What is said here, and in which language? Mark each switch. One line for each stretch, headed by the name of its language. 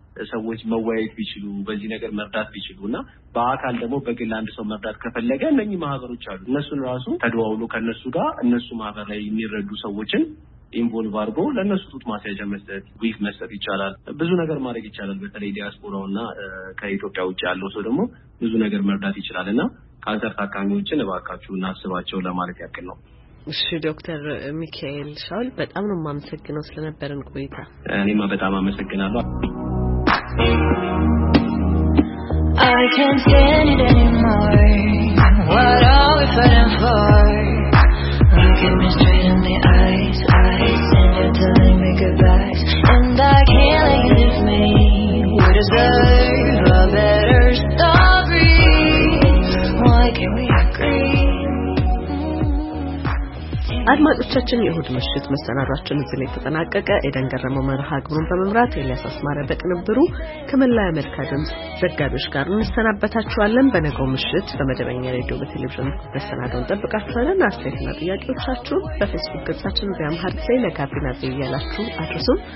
Amharic: ሰዎች መወያየት ቢችሉ በዚህ ነገር መርዳት ቢችሉና በአካል ደግሞ በግል አንድ ሰው መርዳት ከፈለገ እነኚህ ማህበሮች አሉ። እነሱን ራሱ ተደዋውሎ ከነሱ ጋር እነሱ ማህበር ላይ የሚረዱ ሰዎችን ኢንቮልቭ አድርጎ ለእነሱ ጡት ማስያዣ መስጠት፣ ዊፍ መስጠት ይቻላል። ብዙ ነገር ማድረግ ይቻላል። በተለይ ዲያስፖራውና ከኢትዮጵያ ውጭ ያለው ሰው ደግሞ ብዙ ነገር መርዳት ይችላል እና ካንሰር ታካሚዎችን እባካችሁ እናስባቸው ለማለት ያክል ነው። እሺ ዶክተር ሚካኤል ሻውል በጣም ነው የማመሰግነው ስለነበረን ቆይታ። እኔማ በጣም አመሰግናለሁ።
English: I can't stand it anymore. What are we fighting for? Look at me straight in the eyes, eyes, and you're telling me goodbyes. And I can't let you leave me. We deserve a better story. Why can't we agree?
Amharic: አድማጮቻችን የሁድ ምሽት መሰናዷችን እዚህ ላይ ተጠናቀቀ። ኤደን ገረመው መርሃ ግብሩን በመምራት ኤልያስ አስማረ በቅንብሩ ከመላ አሜሪካ ድምጽ ዘጋቢዎች ጋር እንሰናበታችኋለን። በነገው ምሽት በመደበኛ ሬዲዮ በቴሌቪዥን መሰናዶን እንጠብቃችኋለን። አስተያየትና ጥያቄዎቻችሁን በፌስቡክ ገጻችን በአምሃሪክ ላይ ለጋቢና ዜና እያላችሁ አድርሱ።